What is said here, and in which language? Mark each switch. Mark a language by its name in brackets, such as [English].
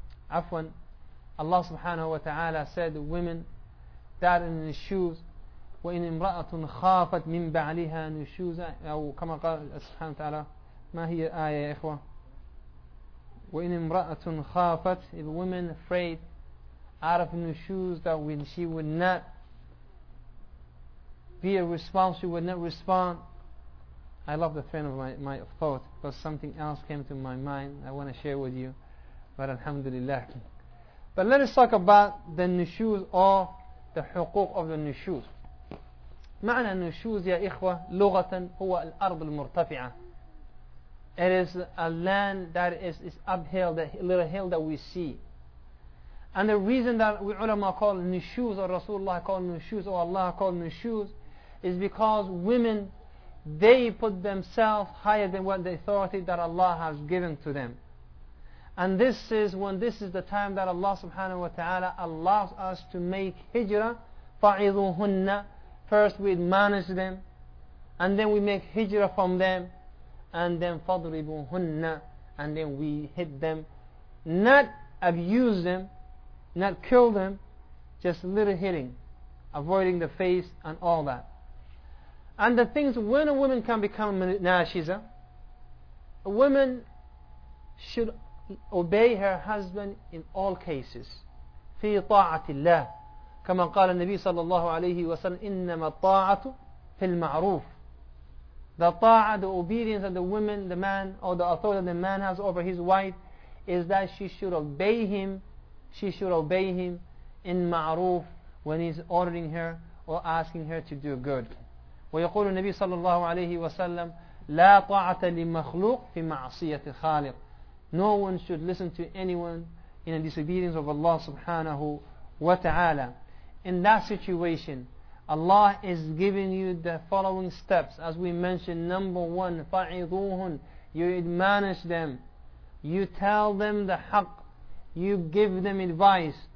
[Arabic] عفوا, [English] Allah subhanahu wa ta'ala said, women that in the shoes, [Arabic] وَإِنْ إِمْرَأَةٌ خَافَتْ مِنْ بَعْلِهَا نُشُوزًا, أو كما قال سبحانه وتعالى, ما هي الآية يا إخوة؟ وَإِنْ إِمْرَأَةٌ خَافَتْ, [English] if a woman afraid out of the shoes that when she would not be a response, she would not respond. I love the train of my thought, but something else came to my mind I want to share with you, but alhamdulillah. But let us talk about the nushuz or the حقوق of the nushuz. [Arabic] معنى nushuz يا إخوة لغة هو الأرض المرتفعة. [English] It is a land that is uphill, the little hill that we see. And the reason that we ulama call nushuz, or Rasulullah call nushuz, or Allah call nushuz, is because women, they put themselves higher than what the authority that Allah has given to them. And this is the time that Allah subhanahu wa ta'ala allows us to make hijrah. فَعِذُوهُنَّ, first we admonish them, and then we make hijrah from them, and then فَضْرِبُوهُنَّ, and then we hit them. Not abuse them, not kill them, just a little hitting, avoiding the face and all that. And the things, when a woman can become nashiza, a woman should obey her husband in all cases. [Arabic] في طاعة الله, كما قال النبي صلى الله عليه وسلم, إنما الطاعة في المعروف. [English] The طاعة, the obedience of the woman, the man, or the authority that the man has over his wife, is that she should obey him. She should obey him in معروف, when he's ordering her or asking her to do good. [Arabic] ويقول النبي صلى الله عليه وسلم, لا طاعة لمخلوق في معصية الخالق. [English] No one should listen to anyone in a disobedience of Allah subhanahu wa ta'ala. In that situation, Allah is giving you the following steps. As we mentioned, number one, fa'idhuhun, you admonish them. You tell them the haqq. You give them advice.